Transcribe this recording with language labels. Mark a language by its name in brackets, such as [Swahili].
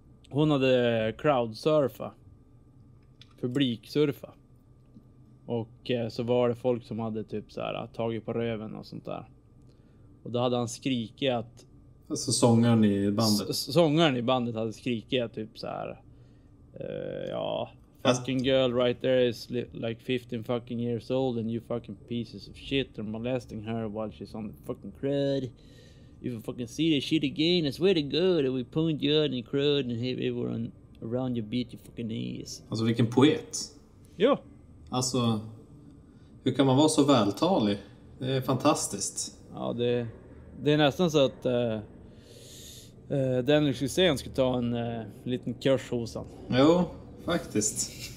[Swedish] Hon hade crowdsurfa. Publiksurfa. Och så var det folk som hade typ så här tagit på röven och sånt där. Och då hade han skrikit att... Alltså sångaren i bandet. Sångaren i bandet hade skrikit typ så här... ja... [English] Fucking girl right there is like 15 fucking years old and you fucking pieces of shit are molesting her while she's on the fucking crud. If you fucking see this shit again, I swear to God that we point you out in the crud and have everyone around you beat your fucking ass. [Swedish] Alltså vilken poet. Ja. Alltså, hur kan man vara så vältalig? Det är fantastiskt. Ja, det är nästan så att Dennis Hussein ska ta en liten kurs hos han. Jo, faktiskt.